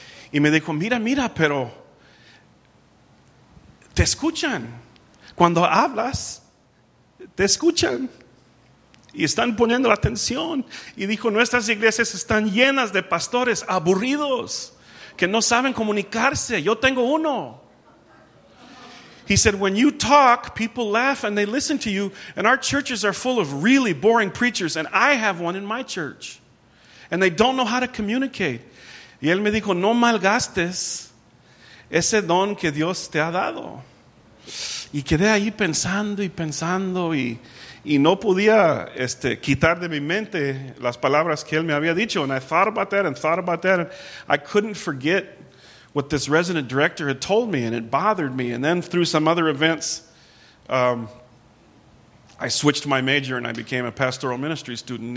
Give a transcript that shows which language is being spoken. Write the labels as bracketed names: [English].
[Spanish] Y me dijo: mira, pero te escuchan. Cuando hablas, te escuchan. Y están poniendo atención. Y dijo: nuestras iglesias están llenas de pastores aburridos que no saben comunicarse. Yo tengo uno. [English] He said, when you talk, people laugh and they listen to you. And our churches are full of really boring preachers. And I have one in my church. And they don't know how to communicate. [Spanish] Y él me dijo: no malgastes ese don que Dios te ha dado. Y quedé ahí pensando y pensando y no podía quitar de mi mente las palabras que él me había dicho. [English] And I thought about that and thought about that. And I couldn't forget what this resident director had told me, and it bothered me. And then through some other events, I switched my major and I became a pastoral ministry student.